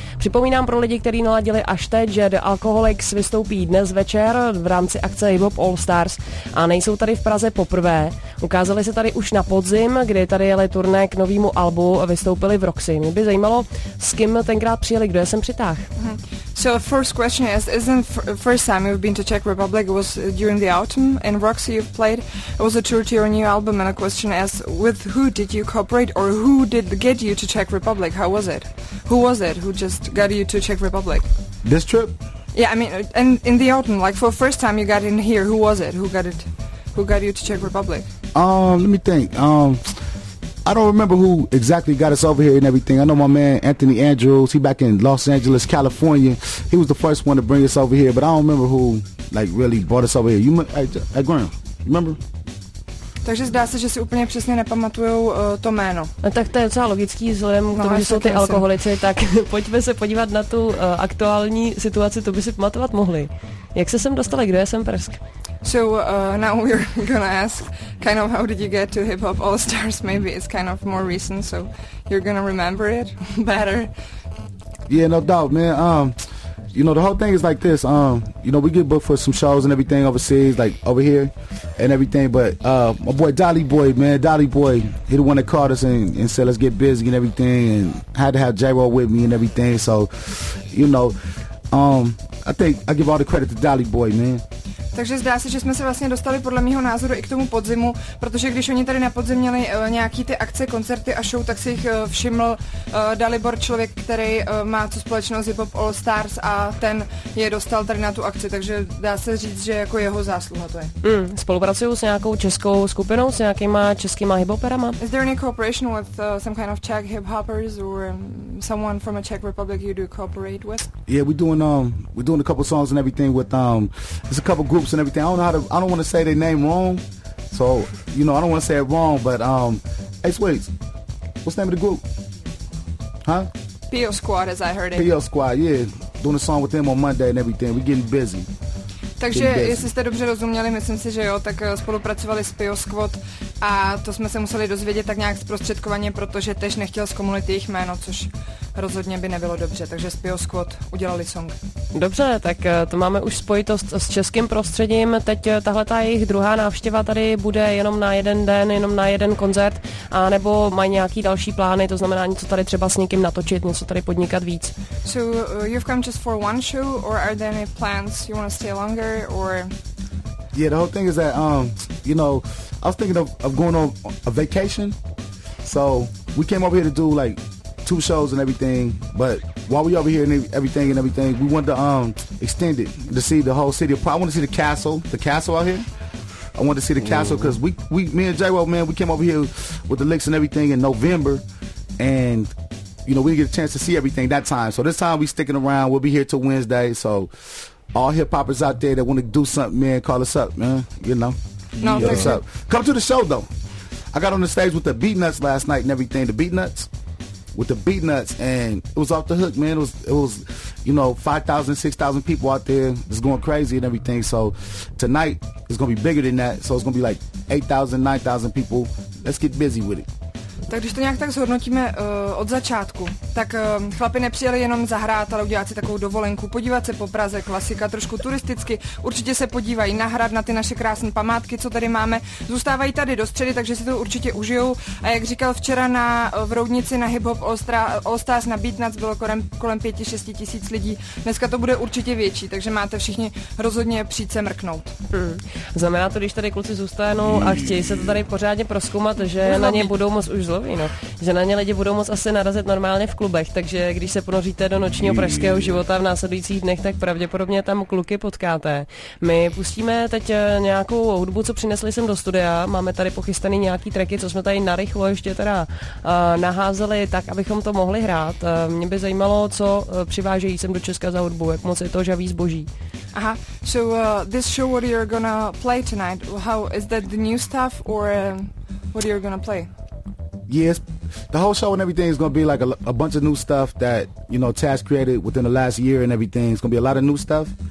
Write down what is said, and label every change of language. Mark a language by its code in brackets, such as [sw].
[cs] Připomínám pro lidi, kteří naladili až teď, že The Alcoholics vystoupí dnes večer v rámci akce Hip Hop All Stars a nejsou tady v Praze poprvé. Ukázali se tady už na podzim, kdy tady jeli turné k novému albu a vystoupili v Roxy. Mě by zajímalo, s kým tenkrát přijeli, kdo je sem přitáh. [en] So the first question is, isn't first time you've been to Czech Republic, it was during the autumn in Roxy you've played, it was a tour to your new album, and a question is, with who did you cooperate, or who did get you to Czech Republic, how was it? Who was it who just got you to Czech Republic? This trip? Yeah, I mean, and in the autumn, like for the first time you got in here, who was it, who got you to Czech Republic? Let me think, I don't remember who exactly got us over here and everything. I know my man Anthony Andrews. He back in Los Angeles, California. He was the first one to bring us over here, but I don't remember who like really brought us over here. You at Graham, remember? [cs] Takže zdá se, že si úplně přesně nepamatujou to jméno. No, tak to je docela logický vzhledem k tomu, že jsou ty alkoholici. Tak pojďme se podívat na tu aktuální situaci, to by si pamatovat mohli. Jak se sem dostali, kdo je sem Prsk? [en] So now we're gonna ask kind of how did you get to Hip Hop All Stars? Maybe it's kind of more recent, so you're gonna remember it better. Yeah, no doubt, man. You know, the whole thing is like this. You know, we get booked for some shows and everything overseas, like over here and everything. But my boy Dolly Boy, man, Dolly Boy, he the one that called us and said, let's get busy and everything. And had to have J-Roll with me and everything. So, you know, I think I give all the credit to Dolly Boy, man. [cs] Takže zdá se, že jsme se vlastně dostali podle mýho názoru i k tomu podzimu, protože když oni tady na podzim měli nějaký ty akce, koncerty a show, tak si jich všiml Dalibor, člověk, který má co společnost Hip Hop All Stars, a ten je dostal tady na tu akci, takže dá se říct, že jako jeho zásluha to je. Spolupracuju s nějakou českou skupinou, s nějakýma českýma hiphoperama? [en] Is there any cooperation with some kind of Czech hiphopers or someone from a Czech Republic you do cooperate with? Yeah, we're doing a couple songs and everything with there's a couple groups and everything. I don't want to say their name wrong, so you know I don't want to say it wrong, but hey Sweets, what's the name of the group, huh? P.O. Squad, as I heard it. P.O. Squad, yeah, doing a song with them on Monday and everything. We're getting busy. [cs] Takže jestli jste dobře rozuměli, myslím si, že jo, tak spolupracovali s P.O. Squad a to jsme se museli dozvědět tak nějak zprostředkovaně, protože tež nechtěl zkomunit jejich jméno, což rozhodně by nebylo dobře, takže s P.O. Squad udělali song. Dobře, tak to máme už spojitost s českým prostředím. Teď tahle ta jejich druhá návštěva tady bude jenom na jeden den, jenom na jeden koncert, a nebo mají nějaký další plány, to znamená něco tady třeba s někým natočit, něco tady podnikat víc. [en] So you've come just for one show, or are there any plans you want to stay longer, or? Yeah, the whole thing is that you know, I was thinking of going on a vacation. So we came over here to do like two shows and everything, but while we over here and everything and everything, we wanted to extend it to see the whole city. I want to see the castle out here. I want to see the castle because we me and J-Well, man, we came over here with the licks and everything in November, and you know, we didn't get a chance to see everything that time. So this time we sticking around, we'll be here till Wednesday. So all hip hoppers out there that want to do something, man, call us up, man, you know. No, yeah. What's up? Come to the show though. I got on the stage with the Beatnuts last night and everything, the Beatnuts, and it was off the hook, man. It was, you know, 5,000, 6,000 people out there. It's going crazy and everything. So tonight it's going to be bigger than that. So it's going to be like 8,000, 9,000 people. Let's get busy with it. [cs] Tak když to nějak tak zhodnotíme od začátku, tak chlapi nepřijeli jenom zahrát, ale udělat si takovou dovolenku, podívat se po Praze, klasika, trošku turisticky, určitě se podívají na hrad, na ty naše krásné památky, co tady máme, zůstávají tady do středy, takže si to určitě užijou, a jak říkal včera na v Roudnici na Hip Hop All Stars na Beatnuts bylo kolem 5-6 tisíc lidí, dneska to bude určitě větší, takže máte všichni rozhodně přijít se mrknout. Znamená to, když tady kluci zůstanou a chtějí se to tady pořádně prozkoumat, že na ně budou moc už zloví, no. Že na ně lidi budou moc asi narazit normálně v klubech, takže když se ponoříte do nočního pražského života v následujících dnech, tak pravděpodobně tam kluky potkáte. My pustíme teď nějakou hudbu, co přinesli sem do studia. Máme tady pochystaný nějaký tracky, co jsme tady narychlo ještě teda naházeli tak, abychom to mohli hrát. Mě by zajímalo, co přivážejí sem do Česka za hudbu, jak moc je to žavý zboží. [en] Aha, so this show what you're gonna play tonight, how is that the new stuff or what you're gonna play? Yes, the whole show and everything is going to be like a bunch of new stuff that, you know, Taz created within the last year and everything. It's going to be a lot of new stuff.